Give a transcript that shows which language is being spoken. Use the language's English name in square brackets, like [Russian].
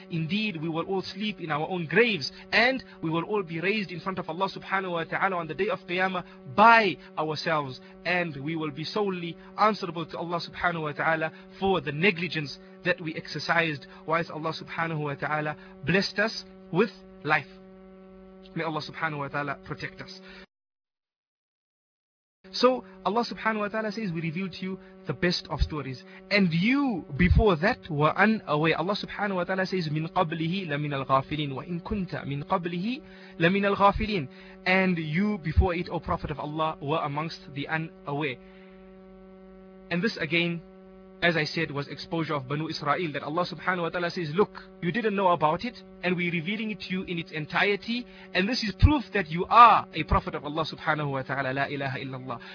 [English] Indeed, we will all sleep in our own graves, and we will all be raised in front of Allah subhanahu wa ta'ala on the day of Qiyamah by ourselves, and we will be solely answerable to Allah subhanahu wa ta'ala for the negligence that we exercised whilst Allah subhanahu wa ta'ala blessed us with life. May Allah subhanahu wa ta'ala protect us. So Allah subhanahu wa ta'ala says, we revealed to you the best of stories. And you before that were unaware. Allah subhanahu wa ta'ala says, [Arabic] مِنْ قَبْلِهِ لَمِنَ الْغَافِلِينَ وَإِنْ كُنْتَ مِنْ قَبْلِهِ لَمِنَ الْغَافِلِينَ. [English] And you before it, O Prophet of Allah, were amongst the unaware. And this again, as I said, was exposure of Banu Israel, that Allah subhanahu wa ta'ala says, look, you didn't know about it, and we're revealing it to you in its entirety, and this is proof that you are a prophet of Allah subhanahu wa ta'ala, la ilaha illallah.